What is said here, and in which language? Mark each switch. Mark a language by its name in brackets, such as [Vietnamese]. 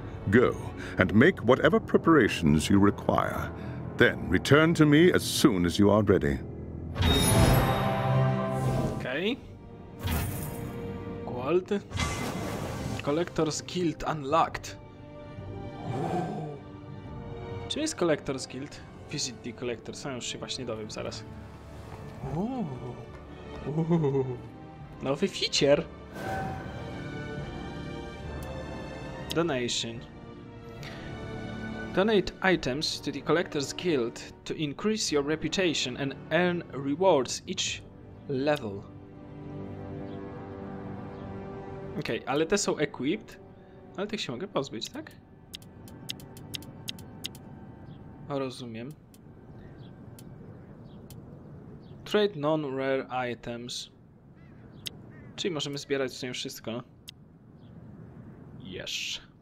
[English] Go, and make whatever preparations you require. Then return to me as soon as you are ready. Okay. Gwold. Collector's Guild unlocked. [Polish] Czym jest Collector's Guild? [English] Visit the Collector. [Polish] Sam już się właśnie dowiem zaraz. Nowy feature. [English] Donation. Donate items to the Collector's Guild to increase your reputation and earn rewards each level. [Polish] Okej, okay, ale te są equipped. Ale tych się mogę pozbyć, tak? Rozumiem. [English] Trade non-rare items. [Polish] Czyli możemy zbierać z nim wszystko. [English] Yes.